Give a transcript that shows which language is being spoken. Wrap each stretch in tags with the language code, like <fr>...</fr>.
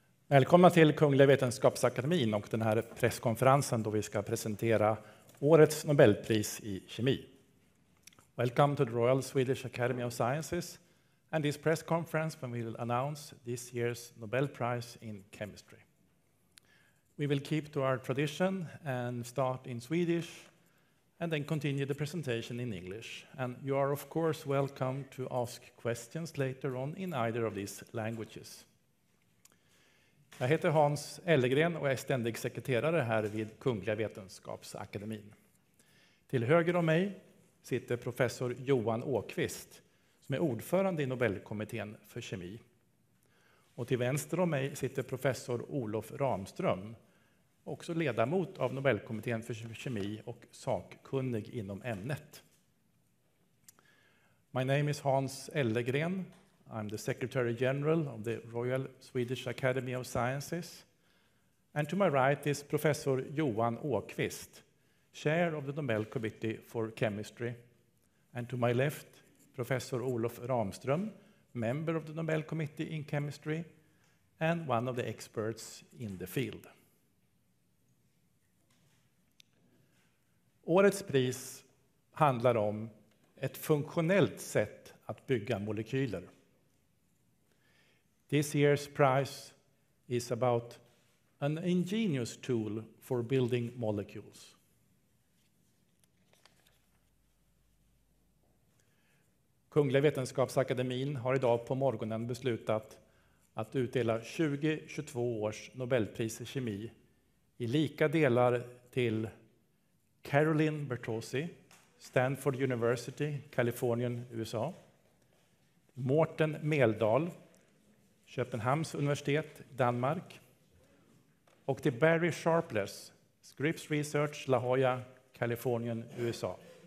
<sv>Välkomna till Kungliga Vetenskapsakademin och den här presskonferensen då vi ska presentera årets Nobelpris i kemi.</sv> <en>Welcome to the Royal Swedish Academy of Sciences and this press conference when we will announce this year's Nobel Prize in Chemistry. We will keep to our tradition and start in Swedish and then continue the presentation in English. And you are of course welcome to ask questions later on in either of these languages.</en> <sv>Jag heter Hans Ellegren och är ständig sekreterare här vid Kungliga Vetenskapsakademin. Till höger om mig sitter professor Johan Åkvist som är ordförande i Nobelkommittén för kemi. Och till vänster om mig sitter professor Olof Ramström, också ledamot av Nobelkommittén för kemi och sakkunnig inom ämnet.</sv> <en>My name is Hans Ellegren. I'm the Secretary General of the Royal Swedish Academy of Sciences. And to my right is Professor Johan Åkvist, Chair of the Nobel Committee for Chemistry. And to my left, Professor Olof Ramström, member of the Nobel Committee in Chemistry and one of the experts in the field.</en> <sv>Årets pris handlar om ett funktionellt sätt att bygga molekyler.</sv> <en>This year's prize is about an ingenious tool for building molecules.</en> <sv>Kungliga Vetenskapsakademin har idag på morgonen beslutat att utdela 2022 års Nobelpris i kemi i lika delar till Caroline Bertozzi, Stanford University, Kalifornien, USA, Mårten Meldahl, Köpenhamns universitet, Danmark, och till Barry Sharpless, Scripps Research, La Jolla, Kalifornien, USA.</sv>